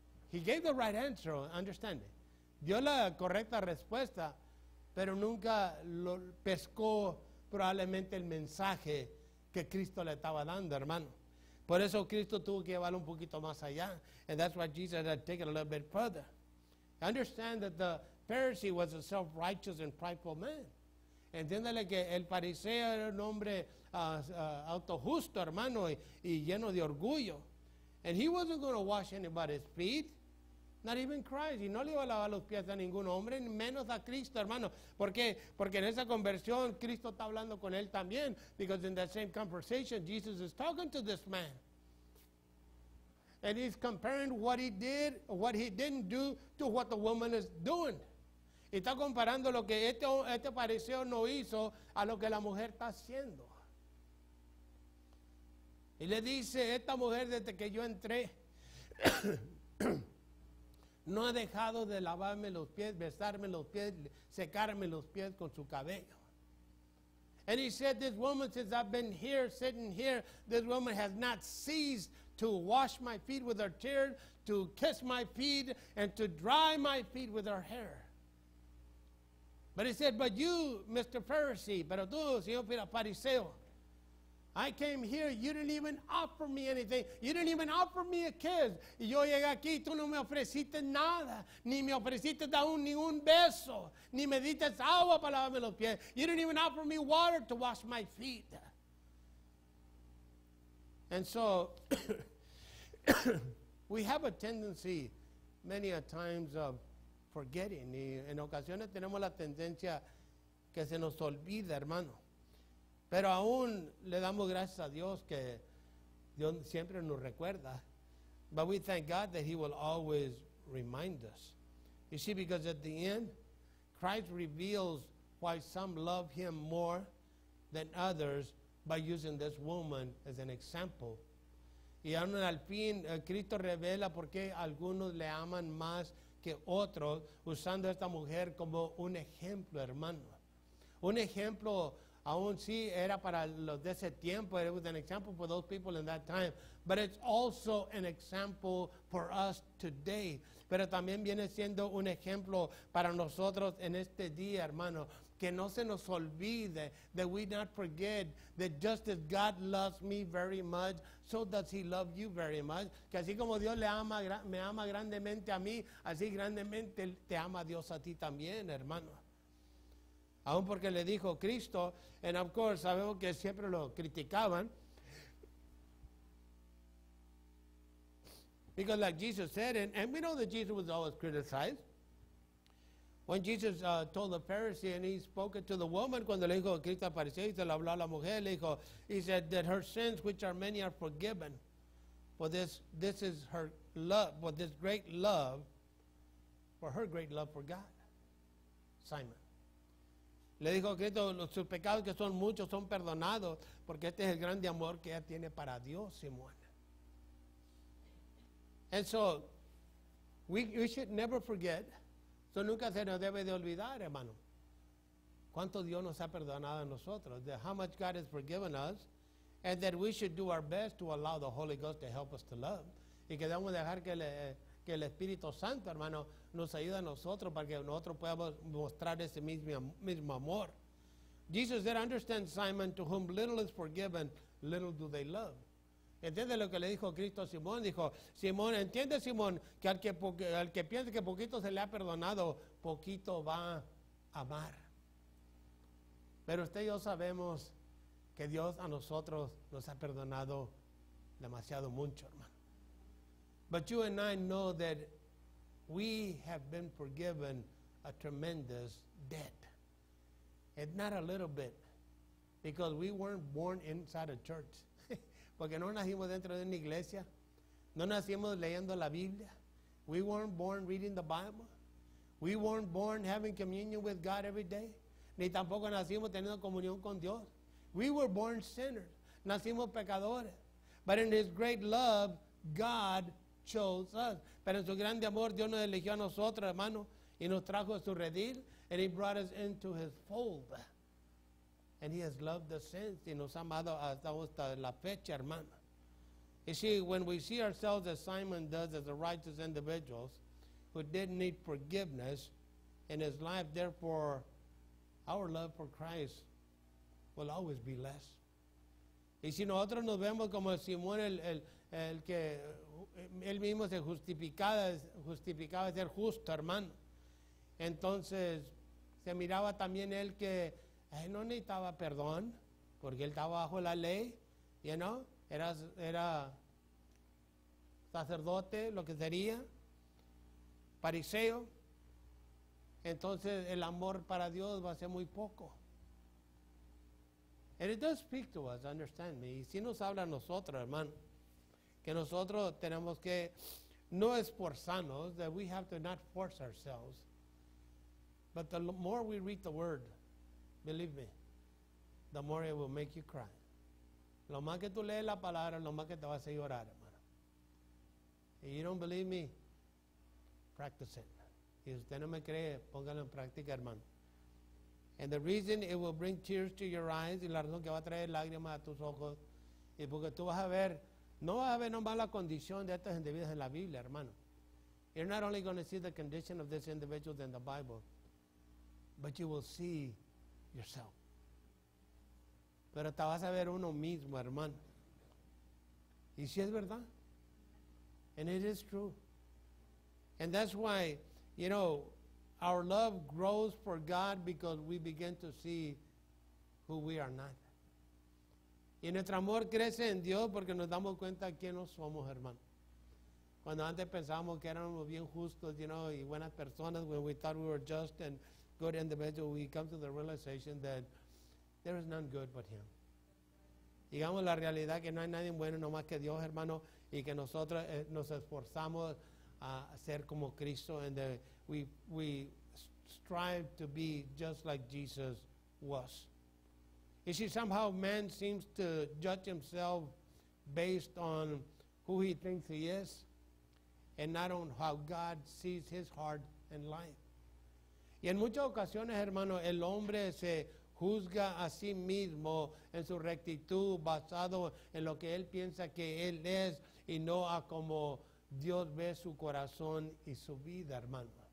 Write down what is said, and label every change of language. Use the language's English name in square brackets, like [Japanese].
[English] He gave the right answer, understand it. [Spanish] Dio la correcta respuesta, pero nunca lo pescó probablemente el mensaje que Cristo le estaba dando, hermano. Por eso Cristo tuvo que llevarlo un poquito más allá. [English] And that's why Jesus had to take it a little bit further. Understand that the Pharisee was a self-righteous and prideful man. [Spanish] Entiéndale que el fariseo era un hombre autojusto, hermano, y lleno de orgullo. [English] And he wasn't going to wash anybody's feet, not even Christ. [Spanish] Y no le iba a lavar los pies a ningún hombre, ni menos a Cristo, hermano. ¿Por qué? Porque en esa conversión, Cristo está hablando con él también. [English] Because in that same conversation, Jesus is talking to this man. And he's comparing what he did, what he didn't do, to what the woman is doing. [Spanish] Y está comparando lo que este fariseo no hizo a lo que la mujer está haciendo. Y le dice, esta mujer desde que yo entré, no ha dejado de lavarme los pies, besarme los pies, secarme los pies con su cabello. [English] And he said, this woman, since I've been here, sitting here, this woman has not ceased to wash my feet with her tears, to kiss my feet, and to dry my feet with her hair. But he said, but you, Mr. Pharisee, [Spanish] pero tú, señor fariseo, [English] I came here, you didn't even offer me anything. You didn't even offer me a kiss. [Spanish] Y yo llegué aquí, tú no me ofreciste nada, ni me ofreciste ningún beso, ni me diste agua para lavarme los pies. [English] You didn't even offer me water to wash my feet. And so, We have a tendency many a times of forgetting. [Spanish] Y en ocasiones tenemos la tendencia que se nos olvida, hermano. Pero aún le damos gracias a Dios que Dios siempre nos recuerda. [English] But we thank God that he will always remind us. You see, because at the end, Christ reveals why some love him more than others by using this woman as an example. [Spanish] Y aún al fin, Cristo revela por qué algunos le aman más que otros usando esta mujer como un ejemplo, hermano. Un ejemplo, aún sí, era para los de ese tiempo. [English] It was an example for those people in that time. But it's also an example for us today. [Spanish] Pero también viene siendo un ejemplo para nosotros en este día, hermano. Que no se nos olvide, [English] that we not forget, that just as God loves me very much, so does he love you very much. [Spanish] Que así como Dios le ama, me ama grandemente a mí, así grandemente te ama Dios a ti también, hermano. Aún porque le dijo Cristo, [English] and of course, [Spanish] sabemos que siempre lo criticaban. [English] Because like Jesus said, and we know that Jesus was always criticized. When Jesus told the Pharisee and he spoke it to the woman, [Spanish] cuando le dijo a Cristo al fariseo, y se le habló a la mujer, le dijo, [English] he said that her sins, which are many, are forgiven. For this is her love, for this great love, for her great love for God. Simon. [Spanish] Le dijo a Cristo, los sus pecados que son muchos son perdonados, porque este es el grande amor que ella tiene para Dios, Simón. [English] And so, we should never forget. So [Spanish] nunca se nos debe de olvidar, hermano. Cuánto Dios nos ha perdonado a nosotros. [English] That how much God has forgiven us. And that we should do our best to allow the Holy Ghost to help us to love. [Spanish] Y que debemos dejar que el Espíritu Santo, hermano, nos ayude a nosotros para que nosotros podamos mostrar ese mismo amor. [English] Jesus said, understand, Simon, to whom little is forgiven, little do they love. [Spanish] ¿Entiende lo que le dijo Cristo a Simón? Dijo, Simón, ¿entiende, Simón, que al que piense que poquito se le ha perdonado, poquito va a amar? Pero usted y yo sabemos que Dios a nosotros nos ha perdonado demasiado mucho, hermano. [English] But you and I know that we have been forgiven a tremendous debt. And not a little bit, because we weren't born inside a church. [Spanish] Porque no nacimos dentro de una iglesia. No nacimos leyendo la Biblia. [English] We weren't born reading the Bible. We weren't born having communion with God every day. [Spanish] Ni tampoco nacimos teniendo comunión con Dios. [English] We were born sinners. [Spanish] Nacimos pecadores. [English] But in his great love, God chose us. [Spanish] Pero en su grande amor, Dios nos eligió a nosotros, hermano. Y nos trajo a su redil. [English] And he brought us into his fold. And he has loved us since. [Spanish] Y nos ha amado hasta la fecha, hermano. [English] You see, when we see ourselves as Simon does, as a righteous individual who didn't need forgiveness in his life, therefore, our love for Christ will always be less. [Spanish] Y si nosotros nos vemos como Simón, el que él mismo se justificaba ser justo, hermano, entonces se miraba también él que él no necesitaba perdón, porque él estaba bajo la ley, [English] you know? [Spanish] Era sacerdote, lo que sería, fariseo. Entonces, el amor para Dios va a ser muy poco. [English] And it does speak to us, understand me. [Spanish] Y si nos habla a nosotros, hermano, que nosotros tenemos que no esforzarnos, [English] that we have to not force ourselves. But the more we read the word, believe me, the more it will make you cry. [Spanish] Lo más que tú lees la palabra, lo más que te va a hacer llorar, hermano. [English] If you don't believe me, practice it. [Spanish] Y si usted no me cree, póngalo en práctica, hermano. [English] And the reason it will bring tears to your eyes, [Spanish] y la razón que va a traer lágrimas a tus ojos, y porque tú vas a ver, no vas a ver nomás la condición de estos individuos en la Biblia, hermano. [English] You're not only going to see the condition of this individual in the Bible, but you will see yourself. [Spanish] Pero te vas a ver uno mismo, hermano. Y si es verdad. [English] And it is true. And that's why, you know, our love grows for God because we begin to see who we are not. [Spanish] Y nuestro amor crece en Dios porque nos damos cuenta quién no somos, hermano. Cuando antes pensábamos que éramos bien justos, [English] you know, [Spanish] y buenas personas, [English] when we thought we were just and good individuals, we come to the realization that there is none good but Him. [Spanish] Digamos la realidad que no hay nadie bueno, no más que Dios, hermano, y que nosotros nos esforzamos a ser como Cristo, [English] and that we strive to be just like Jesus was. You see, somehow man seems to judge himself based on who he thinks he is, and not on how God sees his heart and life. [Spanish] Y en muchas ocasiones, hermano, el hombre se juzga a sí mismo en su rectitud basado en lo que él piensa que él es y no a como Dios ve su corazón y su vida, hermano.